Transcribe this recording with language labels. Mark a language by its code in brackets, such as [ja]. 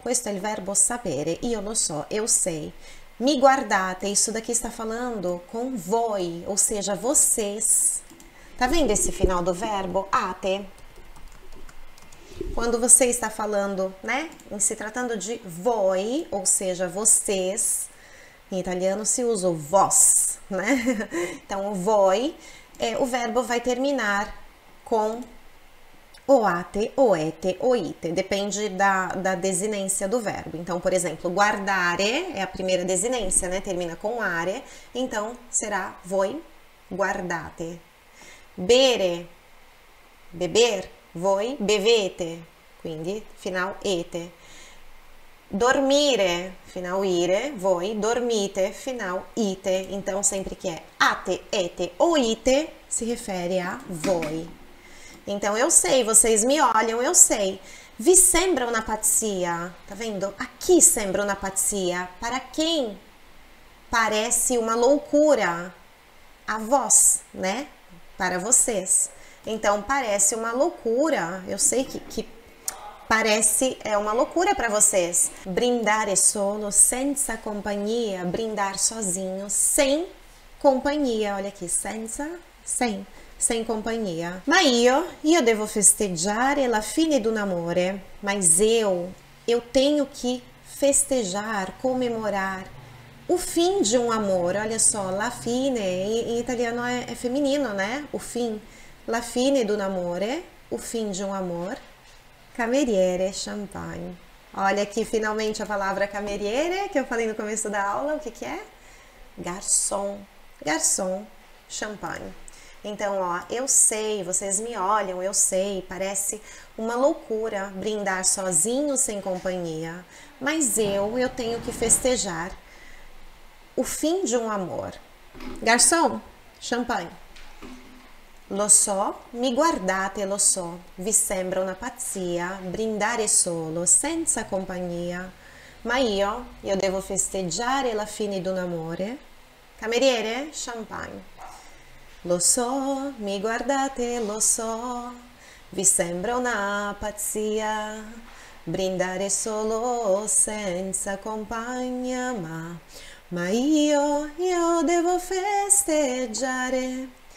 [it] Questo è il verbo sapere, io lo so, [pt] eu sei. [it] Mi guardate, [pt] isso daqui está falando com voi, ou seja, vocês. Tá vendo esse final do verbo? Ate. Quando você está falando, né? Em se tratando de voi, ou seja, vocês. Em italiano se usa o vos, né? Então, o voi, o verbo vai terminar com o ate, o ete, o ite. Depende da desinência do verbo. Então, por exemplo, guardare é a primeira desinência, né? Termina com are. Então, será voi guardate. [it] Bere, [pt] beber. [it] Voi bevete. Quindi, final ete. Dormire, final ire, voi, dormite, final ite. [pt] Então, sempre que é ate, ete ou ite, se refere a voi. Então, eu sei, vocês me olham, eu sei. [it] Vi sembra una pazzia, [pt] tá vendo? Aqui [it] sembra una pazzia. [pt] Para quem parece uma loucura? A vós, né? Para vocês. Então, parece uma loucura, eu sei que parece, é uma loucura para vocês. [it] Brindare solo, senza compagnia, [pt] brindar sozinho, sem companhia. Olha aqui, senza, sem companhia. [it] Ma io devo festeggiare la fine d'un amore. [pt] Mas eu tenho que festejar, comemorar o fim de um amor. Olha só, la fine, em italiano é feminino, né? O fim. [it] La fine d'un amore, [pt] o fim de um amor. [it] Cameriere, champagne. [pt] Olha aqui, finalmente a palavra cameriere, que eu falei no começo da aula. O que que é? Garçom. Garçom, champagne. Então, ó, eu sei, vocês me olham, eu sei, parece uma loucura brindar sozinho, sem companhia, mas eu tenho que festejar o fim de um amor. Garçom, champanhe. [it] Lo so, mi guardate, lo so, vi sembra una pazzia brindare solo, senza compagnia, ma io devo festeggiare la fine d'un amore. Cameriere, champagne. Lo so, mi guardate, lo so, vi sembra una pazzia brindare solo, senza compagnia, ma io devo festeggiare.